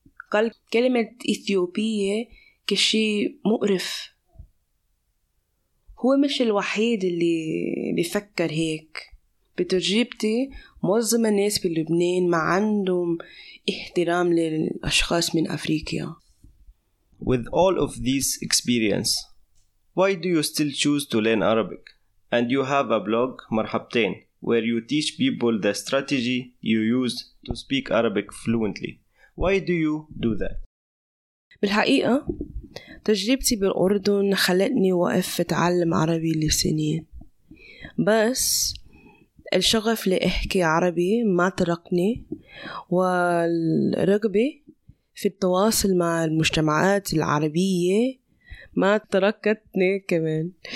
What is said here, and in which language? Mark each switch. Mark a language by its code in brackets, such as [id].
[ar] قال كلمة إثيوبية كشي مقرف. هو مش الوحيد اللي بيفكر هيك. بتجربتي معظم الناس بلبنان ما عندهم احترام للأشخاص من أفريقيا. [en] With all of these experience, why do you still choose to learn Arabic? And you have a blog, مرحبتين, where you teach people the strategy you use to speak Arabic fluently. Why do you do that? [ar] بالحقيقة تجربتي بالأردن خلتني وقف أتعلم عربي لسنين، بس الشغف لأحكي عربي ما تركني، والرغبة في التواصل مع المجتمعات العربية ما تركتني كمان.